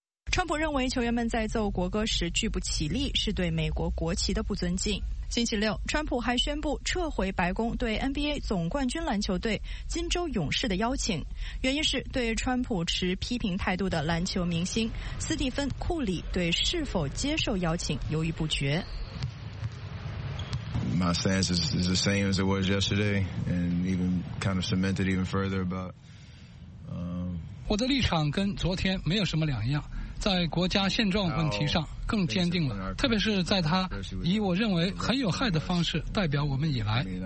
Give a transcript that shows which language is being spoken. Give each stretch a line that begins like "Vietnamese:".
Chinese: 川普认为球员们在奏国歌时拒不起立是对美国国旗的不尊敬。星期六川普还宣布撤回白宫对 NBA 总冠军篮球队金州勇士的邀请，原因是对川普持批评态度的篮球明星斯蒂芬·库里对是否接受邀请犹豫不决。
English: My stance is the same as it was yesterday and even kind of cemented even further about
Chinese: 我的立场跟昨天没有什么两样，在国家现状问题上更坚定了，特别是在他以我认为很有害的方式代表我们以来。